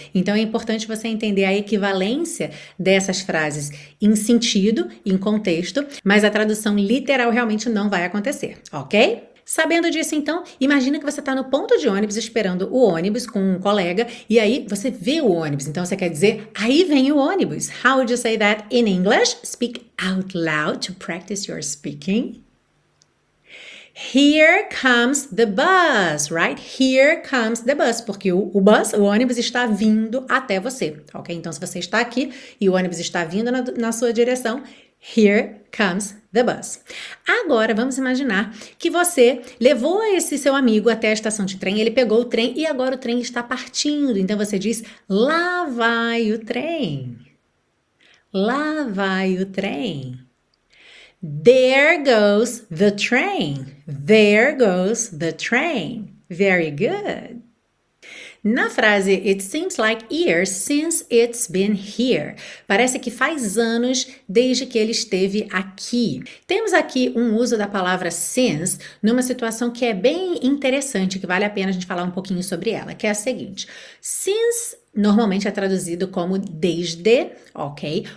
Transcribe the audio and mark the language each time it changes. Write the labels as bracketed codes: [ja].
[pt] Então, é importante você entender a equivalência dessas frases em sentido, em contexto, mas a tradução literal realmente não vai acontecer, ok? Sabendo disso, então, imagina que você está no ponto de ônibus esperando o ônibus com um colega e aí você vê o ônibus. Então, você quer dizer, aí vem o ônibus. [en] How would you say that in English? Speak out loud to practice your speaking. Here comes the bus, right? Here comes the bus, [pt] porque o ônibus está vindo até você, ok? Então, se você está aqui e o ônibus está vindo na sua direção, [en] here comes the bus. [pt] Agora, vamos imaginar que você levou esse seu amigo até a estação de trem, ele pegou o trem e agora o trem está partindo. Então, você diz, lá vai o trem. Lá vai o trem. [en] There goes the train. There goes the train. Very good. [pt] Na frase, [en] it seems like years since it's been here. [pt] Parece que faz anos desde que ele esteve aqui. Temos aqui um uso da palavra since numa situação que é bem interessante, que vale a pena a gente falar um pouquinho sobre ela, que é a seguinte. Since normalmente é traduzido como desde, ok?